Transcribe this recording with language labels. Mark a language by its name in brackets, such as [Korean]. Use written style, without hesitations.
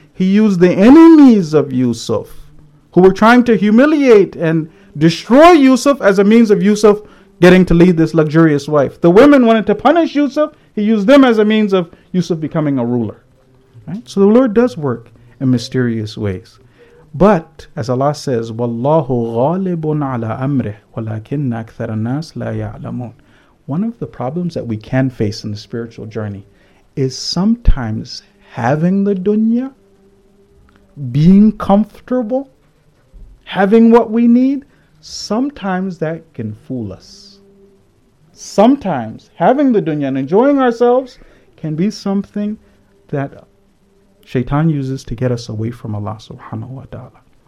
[English] He used the enemies of Yusuf, who were trying to humiliate and destroy Yusuf, as a means of Yusuf getting to lead this luxurious life. The women wanted to punish Yusuf. He used them as a means of Yusuf becoming a ruler. Right? So the Lord does work in mysterious ways. [Arabic] But as Allah says, وَاللَّهُ غَالِبٌ عَلَىٰ أَمْرِهِ وَلَكِنَّ أَكْثَرَ النَّاسِ لَا يَعْلَمُونَ. [English] One of the problems that we can face in the spiritual journey is sometimes having the dunya, being comfortable, having what we need, sometimes that can fool us. Sometimes having the dunya and enjoying ourselves can be something that shaitan uses to get us away from Allah subhanahu wa ta'ala.